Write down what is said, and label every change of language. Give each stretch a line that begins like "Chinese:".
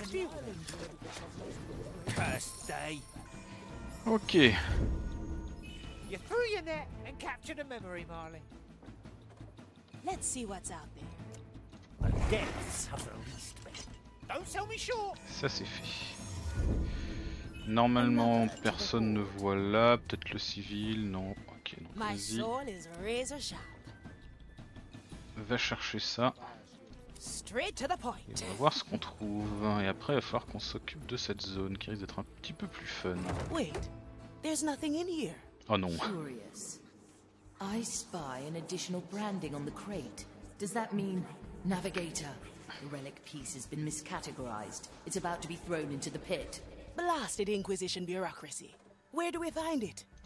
English: feeling. Cursed day. Okay. You threw your net and captured a memory, Marley. Let's see what's out there. The depths have released me. Don't sell me short.
French: Ça c'est fait. Normalement, personne ne voit là. Peut-être le civil. Non. Ok. Donc,
English: my soul is razor sharp.
French: Va chercher ça.
English: Straight to the point.
French: Et on va voir ce qu'on trouve. Et après, il va falloir qu'on s'occupe de cette zone qui risque d'être un petit peu plus fun.
English: Wait, there's nothing in here.
French: Oh non.
English: Curious. I spy an additional branding on the crate. Does that mean Navigator? The relic piece has been miscategorized. It's about to be thrown into the pit. Blasted Inquisition bureaucracy. Where do we find it?